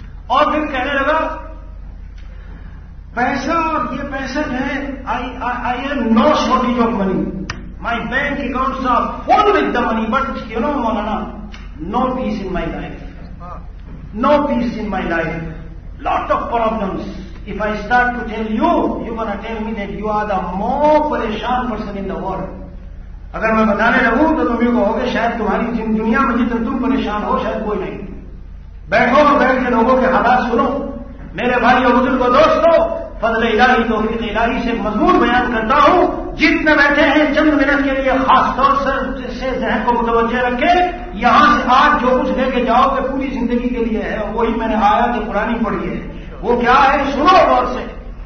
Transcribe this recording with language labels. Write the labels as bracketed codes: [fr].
[hi] और फिर कहने लगा पैसा, और ये पैसा जो है [en] I am no shortage of money, my bank account are full with the money, but you know मौलाना, no peace in my life, no peace in my life, lot of problems. If I start to tell you, you gonna tell me that you are the more परेशान person in the world. [hi] अगर मैं बताने लगूं तो तुम्हें कहोगे शायद तुम्हारी जिन दुनिया में जितने तुम परेशान हो शायद कोई नहीं। बैठो और बैठ के लोगों के हालात सुनो मेरे भाई और बुजुर्गों। दोस्तों फजल इलाही तौफीक इलाही से मजबूत बयान करता हूं, जितने बैठे हैं चंद मिनट के लिए खासतौर से जहन को मुतवज्जे रखें, यहां से आज जो कुछ लेके जाओगे पूरी जिंदगी के लिए है, वही मैंने आयत कुरानी पढ़ी है, वो क्या है सुनो गौर से।